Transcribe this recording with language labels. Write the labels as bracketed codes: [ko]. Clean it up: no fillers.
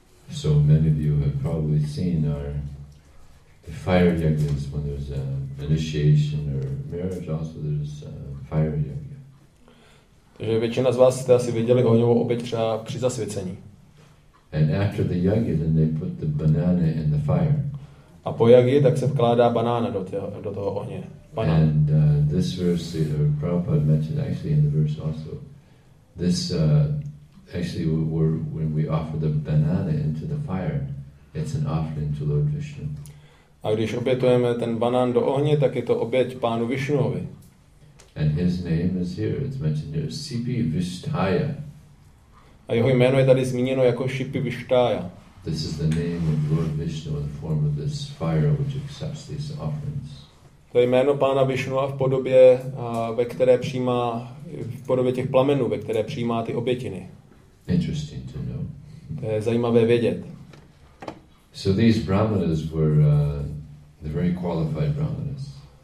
[en] So many of you have probably seen our the fire yagyas, when there's an initiation or marriage, also there's a fire yagya. [cs] Takže většina z vás jste asi viděli ohňovou oběť třeba při zasvěcení. [en] And after the yagya, then they put the banana in the fire. [cs] A po yagyi, tak se vkládá banána do toho ohně. Banán. [en] And this verse, Prabhupada mentioned actually in the verse also, this actually were when we offer the banana into the fire, it's an offering to Lord Vishnu. [cs] A když obětujeme ten banán do ohně, tak je to oběť pánu Višnuovi. [en] And his name is here, it's mentioned here, Sipi Vishtaya. [cs] A jeho jméno je tady zmíněno jako Sipi Vishtaya. [en] This is the name of Lord Vishnu in the form of this fire which accepts these offerings. [cs] To je jméno pána Višnua v podobě, ve které přijímá, v podobě těch plamenů, ve které přijímá ty obětiny. [en] Interesting to know. [cs] To je zajímavé vědět. [en] So these brahmanas were the very qualified brahmanas.